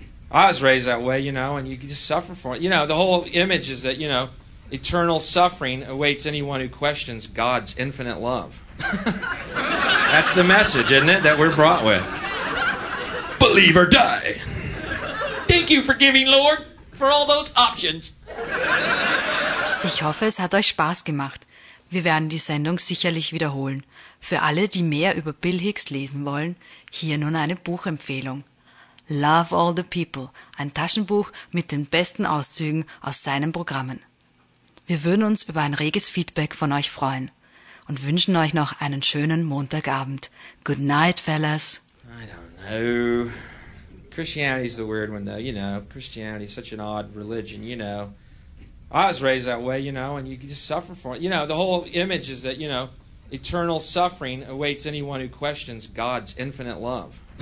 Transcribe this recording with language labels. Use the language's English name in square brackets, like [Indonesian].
[English] I was raised that way, you know, and you can just suffer for it. You know, the whole image is that, you know, eternal suffering awaits anyone who questions God's infinite love. That's the message, isn't it, that we're brought with? Believe or die. Thank you, forgiving Lord, for all those options. [German] Ich hoffe, es hat euch Spaß gemacht. Wir werden die Sendung sicherlich wiederholen. Für alle, die mehr über Bill Hicks lesen wollen, hier nun eine Buchempfehlung. Love All the People, ein Taschenbuch mit den besten Auszügen aus seinen Programmen. Wir würden uns über ein reges Feedback von euch freuen. Und wünschen euch noch einen schönen Montagabend. [English] Good night, fellas. I don't know. Christianity's the weird one, though. You know, Christianity is such an odd religion, you know. I was raised that way, you know, and you can just suffer for it. You know, the whole image is that, you know, eternal suffering awaits anyone who questions God's infinite love.